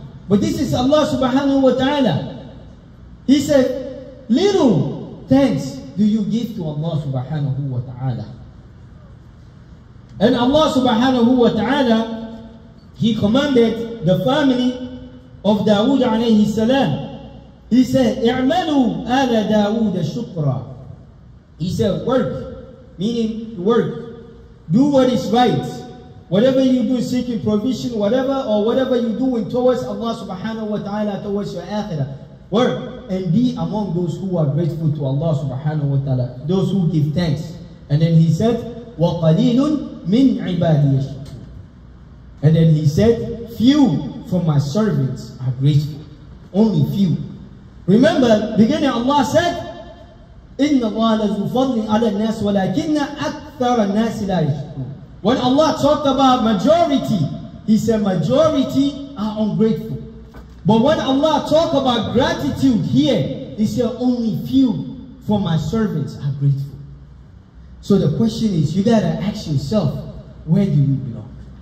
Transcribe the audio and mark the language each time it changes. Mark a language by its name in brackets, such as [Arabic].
[English] But this is Allah subhanahu wa ta'ala. He said, little thanks do you give to Allah subhanahu wa ta'ala. And Allah subhanahu wa ta'ala, He commanded the family of Dawood alayhi salam. He said, [Arabic] اِعْمَلُوا آلَ دَاوُودَ شُكْرًا. [English] He said, work, meaning work. Do what is right. Whatever you do, seeking provision, whatever, or whatever you do in towards Allah subhanahu wa ta'ala, towards your akhirah, work and be among those who are grateful to Allah subhanahu wa ta'ala, those who give thanks. And then he said, [Arabic] وَقَلِيلٌ مِنْ عِبَادِيَ شُكْرًا. [English] And then he said, few from my servants are grateful. Only few. Remember, beginning Allah said, [Arabic] إِنَّ اللَّهَ لَذُو فَضْلٍ عَلَى النَّاسِ وَلَكِنَّ أَكْثَرَ النَّاسِ لَا يَشْكُرُونَ. [English] When Allah talked about majority, He said majority are ungrateful. But when Allah talked about gratitude here, He said only few from my servants are grateful. So the question is, you gotta ask yourself, where do you belong?